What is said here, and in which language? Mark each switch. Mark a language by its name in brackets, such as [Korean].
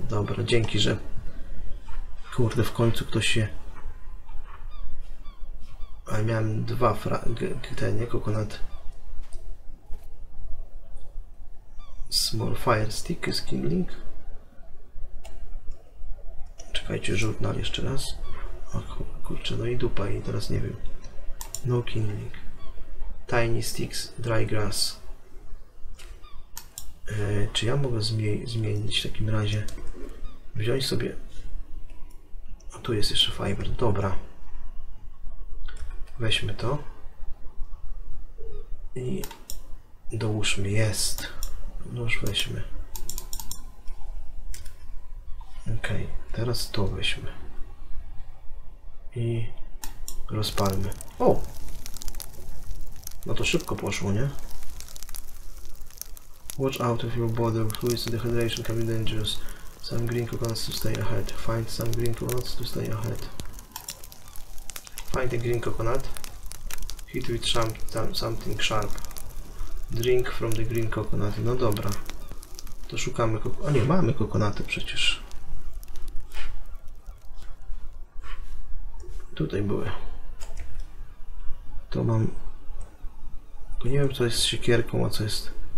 [Polish] Dobra, dzięki, że... Kurde, w końcu ktoś się... Ale miałem dwa te, nie? Coconut. [English] Small fire stick is kindling. [Polish] Czekajcie, żurnal jeszcze raz. O kurczę, no i dupa, i teraz nie wiem. No kindling. [English] Tiny sticks, dry grass. [Polish] Czy ja mogę zmienić w takim razie? Wziąć sobie. A tu jest jeszcze fiber, dobra. Weźmy to. I dołóżmy, jest. No już weźmy. Ok, teraz to weźmy. I rozpalmy. O! No to szybko poszło, nie? [English] Watch out of your body. Fluids and dehydration can be dangerous. Some green coconuts to stay ahead. Find some green coconuts to stay ahead. Find a green coconut. Hit with something sharp. Drink from the green coconut. [Polish] No dobra. To szukamy kokonaty. O nie, mamy kokonaty przecież. Tutaj były. To mam. Tu nie wiem, co jest z siekierką, a co jest.